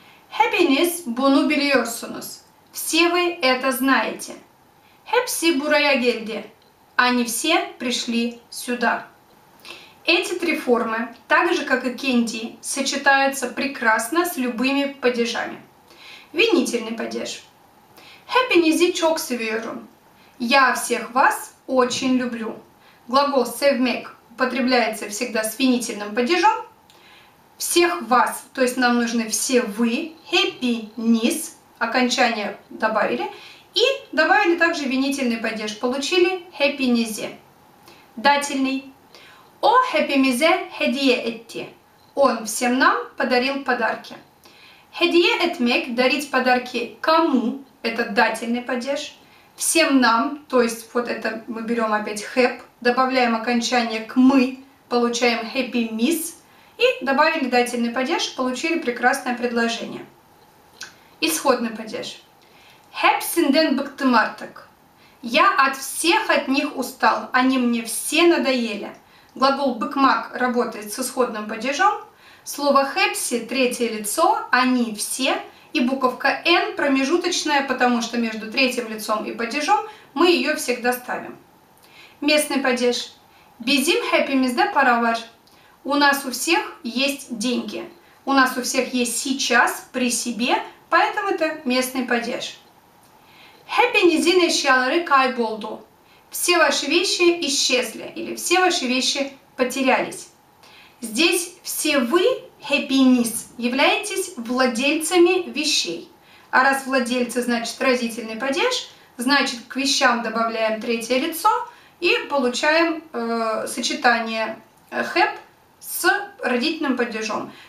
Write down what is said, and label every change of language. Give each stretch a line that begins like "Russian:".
Turkish: «Hepiniz bunu biliyorsunuz»
Russian: – «все вы это знаете».
Turkish: «Hepsi buraya geldi»
Russian: – «они все пришли сюда». Эти три формы, так же как и кенди, сочетаются прекрасно с любыми падежами. Винительный падеж.
Turkish: Hepinizi çok seviyorum.
Russian: Я всех вас очень люблю. Глагол sevmek употребляется всегда с винительным падежом. Всех вас, то есть нам нужны все вы, hepiniz, окончание добавили. И добавили также винительный падеж, получили hepinizi. Дательный.
Turkish: O hepimize hediye etti.
Russian: Он всем нам подарил подарки. Hediye etmek – дарить подарки кому? Это дательный падеж. Всем нам, то есть вот это мы берем опять hep, добавляем окончание к мы, получаем hepimiz. И добавили дательный падеж, получили прекрасное предложение. Исходный падеж.
Turkish: Hepsinden bıktım artık.
Russian: Я от всех от них устал, они мне все надоели. Глагол «быкмак» работает с исходным падежом. Слово «хепси» – третье лицо, «они все». И буковка «н» – промежуточная, потому что между третьим лицом и падежом мы ее всегда ставим. Местный падеж.
Turkish: «Bizim hepimizde para var».
Russian: У нас у всех есть деньги. У нас у всех есть сейчас, при себе, поэтому это местный падеж.
Turkish: «Hepinizin eşyaları kayboldu».
Russian: Все ваши вещи исчезли или все ваши вещи потерялись. Здесь все вы, happiness, являетесь владельцами вещей. А раз владельцы, значит родительный падеж, значит к вещам добавляем третье лицо и получаем сочетание hep с родительным падежом.